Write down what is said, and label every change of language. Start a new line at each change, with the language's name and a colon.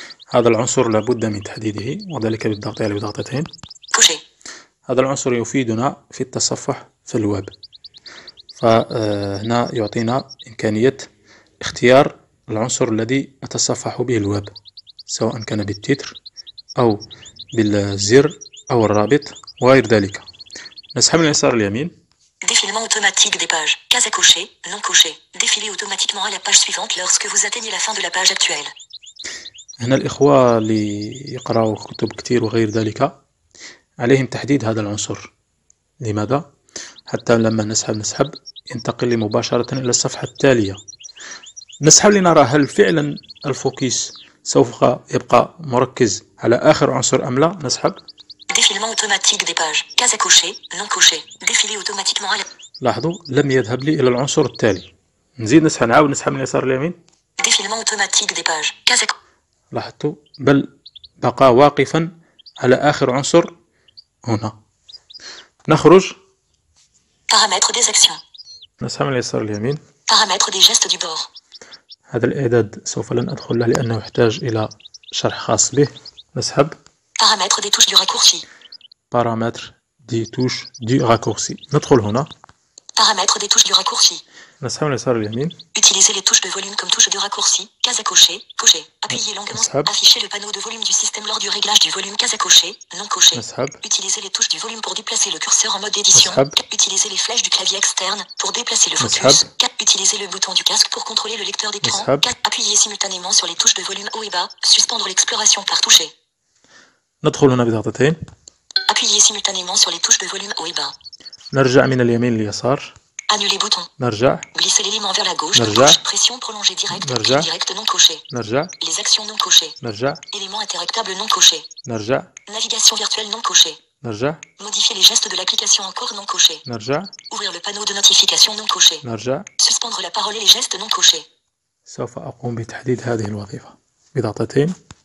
Arabic: هذا العنصر لابد من تحديده وذلك بالضغط على بضغطتين هذا العنصر يفيدنا في التصفح في الويب فهنا يعطينا إمكانية اختيار العنصر الذي أتصفح به الويب سواء كان بالتيتر أو بالزر أو الرابط وغير ذلك نسحب من اليسار اليمين
French: Défilement automatique des pages. Case à cocher, non cocher. Défiler automatiquement à la page suivante lorsque vous atteignez la fin de la page actuelle.
Arabic: هنا الإخوة اللي يقرأوا كتب كتير وغير ذلك عليهم تحديد هذا العنصر لماذا؟ حتى لما نسحب نسحب ينتقل مباشرة إلى الصفحة التالية نسحب لنرى هل فعلا الفوكيس سوف يبقى مركز على آخر عنصر أم لا نسحب
French: Défilement automatique des pages. Case à cocher, non cocher. Défiler automatiquement à la...
Arabic: لاحظوا لم يذهب لي إلى العنصر التالي نزيد نسحب نعاود نسحب من اليسار اليمين
French: Défilement automatique des pages. Case à
Arabic: لاحظتوا بل بقى واقفا على آخر عنصر هنا نخرج
French: Paramètres des actions.
Arabic: نسحب من اليسار اليمين
French: Paramètres des gestes du bord.
Arabic: هذا الإعداد سوف لن أدخل له لأنه يحتاج إلى شرح خاص به نسحب
French: Paramètres des touches du raccourci. Paramètres des touches du raccourci.
Arabic: ندخل هنا.
French: Paramètres des touches du raccourci.
Arabic: نسحب من اليسار اليمين.
French: Utilisez les touches de volume comme touches de raccourci. Case à cocher. Cocher. Appuyez longuement.
Arabic: نسحب.
French: Affichez le panneau de volume du système lors du réglage du volume. Case à cocher. Non cocher.
Arabic: نسحب.
French: Utilisez les touches du volume pour déplacer le curseur en mode édition.
Arabic: نسحب.
French: Utilisez les flèches du clavier externe pour déplacer le focus.
Arabic: نسحب.
French: Utilisez le bouton du casque pour contrôler le lecteur d'écran.
Arabic: نسحب.
French: Appuyez simultanément sur les touches de volume haut et bas. Suspendre l'exploration par toucher.
Arabic: ندخل هنا بضغطتين
French: Appuyez simultanément sur les touches de volume haut et bas.
Arabic: نرجع من اليمين لليسار
French: Annuler bouton.
Arabic: نرجع
French: Glisser l'élément vers la gauche.
Arabic: نرجع
French: Push. Pression prolongée directe.
Arabic: نرجع
French: Direct non coché.
Arabic: نرجع
French: Les actions non cochées.
Arabic: نرجع
French: Élément interactable non coché.
Arabic: نرجع
French: Navigation virtuelle non cochée.
Arabic: نرجع
French: Modifier les gestes de l'application encore non coché.
Arabic: نرجع
French: Ouvrir le panneau de notification non coché.
Arabic: نرجع
French: Suspendre la parole et les gestes non cochés.
Arabic: سوف أقوم بتحديد هذه الوظيفة بضغطتين